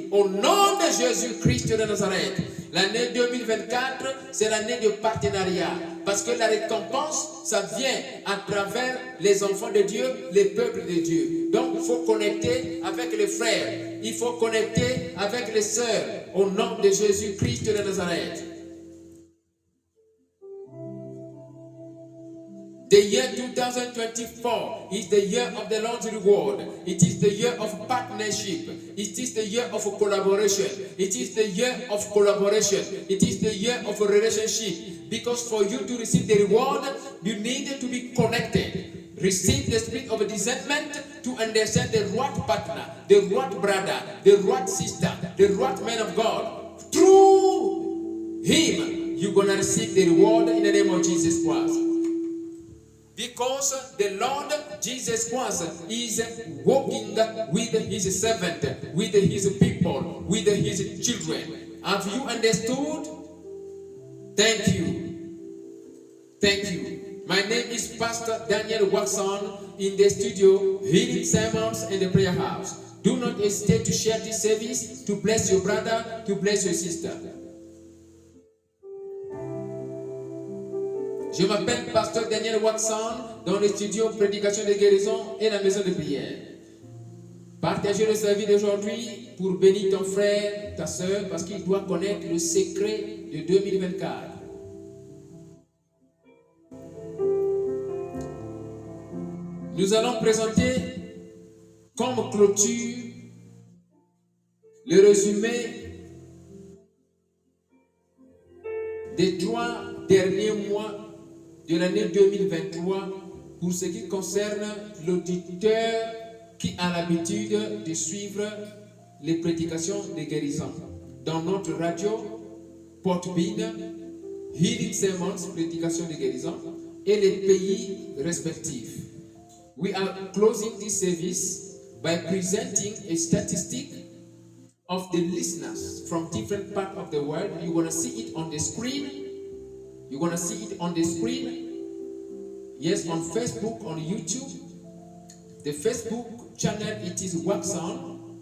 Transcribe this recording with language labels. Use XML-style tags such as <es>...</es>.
<fr>Au nom de Jésus-Christ de Nazareth, l'année 2024, c'est l'année du partenariat. Parce que la récompense, ça vient à travers les enfants de Dieu, les peuples de Dieu. Donc, il faut connecter avec les frères. Il faut connecter avec les sœurs au nom de Jésus-Christ de Nazareth.</fr> <en>The year 2024 is the year of the Lord's reward. It is the year of partnership. It is the year of collaboration. It is the year of collaboration. It is the year of a relationship. Because for you to receive the reward, you need to be connected. Receive the spirit of discernment to understand the right partner, the right brother, the right sister, the right man of God. Through him, you're going to receive the reward in the name of Jesus Christ. Because the Lord Jesus Christ is walking with his servant, with his people, with his children. Have you understood? Thank you. Thank you. My name is Pastor Daniel Watson in the studio, Healing Sermons and the Prayer House. Do not hesitate to share this service to bless your brother, to bless your sister.</en> <fr>Je m'appelle Pasteur Daniel Watson dans le studio Prédication de Guérison et la Maison de Prière. Partagez le service d'aujourd'hui pour bénir ton frère, ta soeur, parce qu'il doit connaître le secret de 2024. Nous allons présenter comme clôture le résumé des trois derniers mois de l'année 2023 pour ce qui concerne l'auditeur qui a l'habitude de suivre les prédications des guérisons dans notre radio Portbine Healing Sermons Prédication des guérisons et les pays respectifs.</fr> <en>We are closing this service by presenting a statistic of the listeners from different parts of the world. You want to see it on the screen? You want to see it on the screen? Yes, on Facebook, on YouTube. The Facebook channel, it is Waxon.</en>